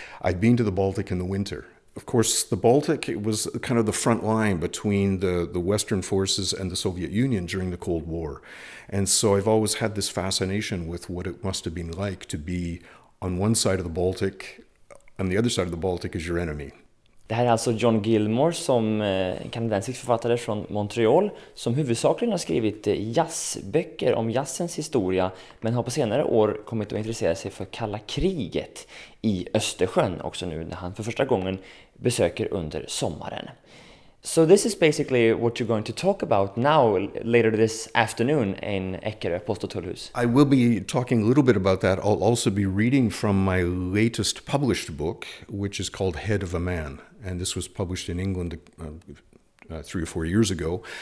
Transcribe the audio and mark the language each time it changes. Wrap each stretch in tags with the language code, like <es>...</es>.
<en>I've been to the Baltic in the winter. Of course, the Baltic, it was kind of the front line between the Western forces and the Soviet Union during the Cold War. And so I've always had this fascination with what it must have been like to be on one side of the Baltic, and the other side of the Baltic is your enemy.</en> <sv>Det här är alltså John Gilmore som kanadensisk författare från Montreal som huvudsakligen har skrivit jazzböcker om jazzens historia men har på senare år kommit att intressera sig för kalla kriget i Östersjön också nu när han för första gången besöker under sommaren.</sv> <en>So this is basically what you're going to talk about now, later this afternoon in Ekerö Postotullhus. I will be talking a little bit about that. I'll also be reading from my latest published book, which is called Head of a Man. And this was published in England 3 or 4 years ago.</en>